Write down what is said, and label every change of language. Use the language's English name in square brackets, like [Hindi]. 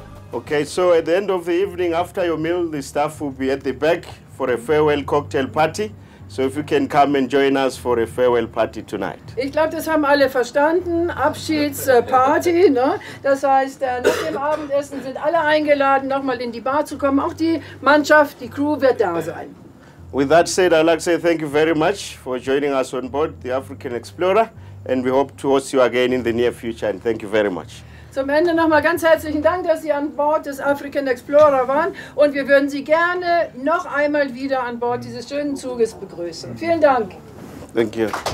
[English] Okay, so at the end of the evening, after your meal, the staff will be at the back for a farewell cocktail party. So if you can come and join us for a farewell party tonight. [German] Ich glaube, das haben alle verstanden. Abschiedsparty, ne? Das heißt, nach dem Abendessen sind alle eingeladen, nochmal in die Bar zu kommen. Auch die Mannschaft, die Crew wird da sein. [English] With that said, I'd like to say thank you very much for joining us on board the African Explorer. And we hope to host you again in the near future. And thank you very much. [German] Zum Ende nochmal ganz herzlichen Dank, dass Sie an Bord des African Explorer waren. Und wir würden Sie gerne noch einmal wieder an Bord dieses schönen Zuges begrüßen. Vielen Dank. [English] Thank you.